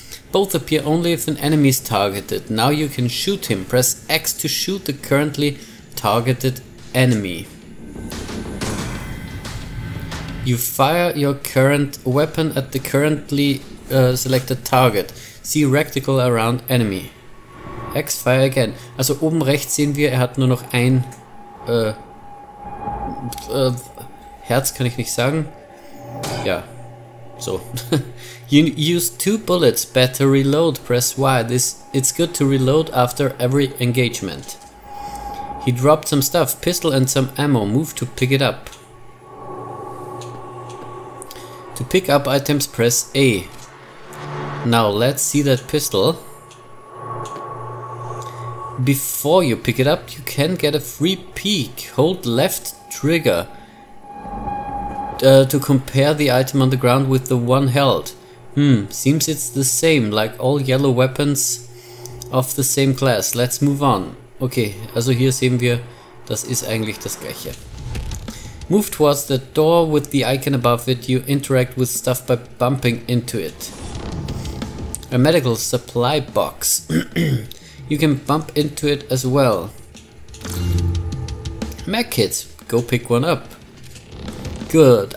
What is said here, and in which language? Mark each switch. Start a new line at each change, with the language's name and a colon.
English: Both appear only if an enemy is targeted. Now you can shoot him. Press X to shoot the currently targeted enemy. You fire your current weapon at the currently selected target. See rectangle around enemy. X fire again.
German: Also oben rechts sehen wir, er hat nur noch ein Herz, kann ich nicht sagen.
English: Ja. So. You use two bullets. Better reload. Press Y. It's good to reload after every engagement. He dropped some stuff. Pistol and some ammo. Move to pick it up. To pick up items, press A. Now, let's see that pistol. Before you pick it up, you can get a free peek. Hold left trigger to compare the item on the ground with the one held. Seems it's the same, like all yellow weapons of the same class. Let's move on.
German: Okay, also hier sehen wir, das ist eigentlich das gleiche.
English: Move towards the door with the icon above it. You interact with stuff by bumping into it. A medical supply box. You can bump into it as well. Medkits. Go pick one up. Good.